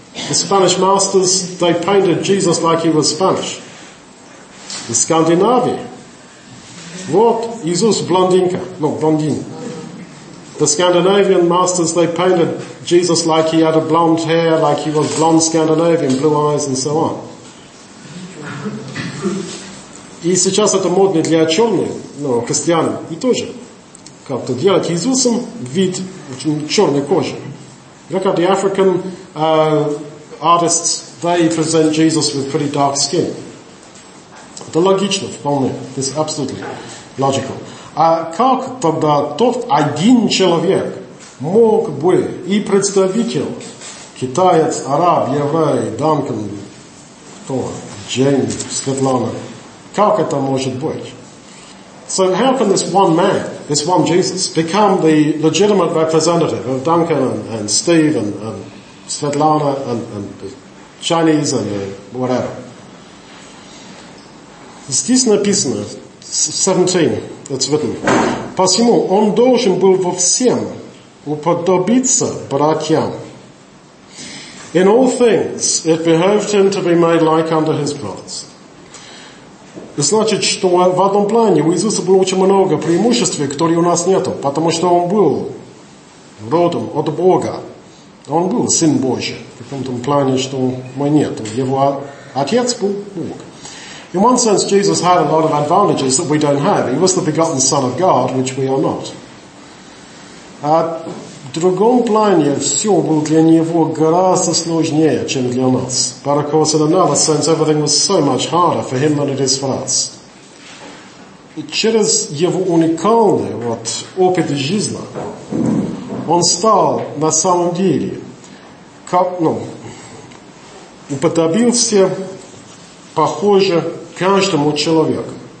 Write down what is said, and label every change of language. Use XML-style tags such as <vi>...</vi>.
<en>The Spanish masters, they painted Jesus like he was Spanish. The Scandinavia. What? Jesus blondinka. No, blondin. The Scandinavian masters, they painted Jesus like he had a blonde hair, like he was blonde Scandinavian, blue eyes and so on.</en> <ru>И сейчас это модно для черных, ну, христиан, и тоже. Как-то делать Иисусом вид черной кожи.</ru> <en>Look at the African... artists, they present Jesus with pretty dark skin.</en> <ru>Это логично, вполне.</ru> <en>It's absolutely logical.</en> <ru>А как тогда тот один человек мог бы и представитель китаец, араб, еврей, Данкан, кто? Джейн, Светлана. Как это может быть?</ru> <en>So how can this one man, this one Jesus, become the legitimate representative of Danken and Steve and Svetlana and the Chinese and the whatever.</en> <ru>Здесь написано, 17,</ru> <en>it's written.</en> <ru>Посему он должен был во всем уподобиться братьям.</ru> <en>In all things it behoved him to be made like unto his brothers.</en> <ru>Значит, что в одном плане у Иисуса было очень много преимуществ, которые у нас нету, потому что он был родом от Бога. Он был Сын Божий, в каком-то плане, что мы нет. Его Отец был Бог.</ru> <en>In one sense, Jesus had a lot of advantages that we don't have. He was the begotten Son of God, which we are not.</en> <ru>А в другом плане, все было для Него гораздо сложнее, чем для нас.</ru> <en>But of course, in another sense, everything was so much harder for Him than it is for us.</en> <ru>И через Его уникальный вот, опыт жизни, он стал на самом деле, как, ну, уподобился, похоже, каждому человеку.</ru>